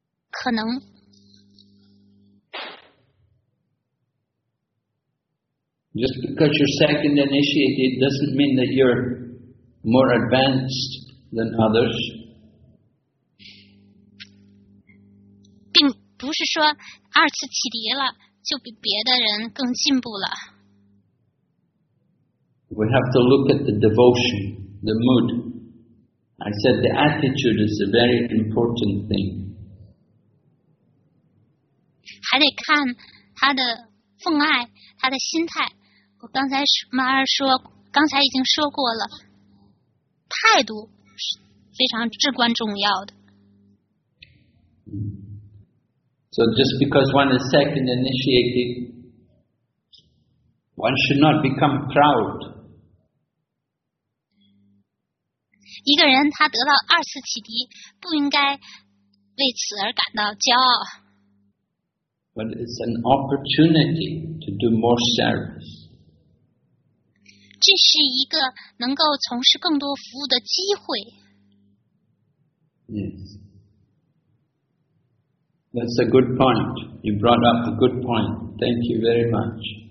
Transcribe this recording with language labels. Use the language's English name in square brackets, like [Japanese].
[Chinese] 可能。 [English] Just because you're second initiated doesn't mean that you're more advanced than others. [Chinese] 并不是说二次启迪了就比别的人更进步了。 [English] We have to look at the devotion, the mood. I said the attitude is a very important thing. [Chinese] 还得看他的奉爱，他的心态。我刚才马二说，刚才已经说过了，态度是非常至关重要的。 [English] So just because one is second initiated, one should not become proud. [Chinese] 一个人他得到二次启迪，不应该为此而感到骄傲。 [English] But it's an opportunity to do more service. [Chinese] 这是一个能够从事更多服务的机会。 [English] Yes. That's a good point. You brought up a good point. Thank you very much.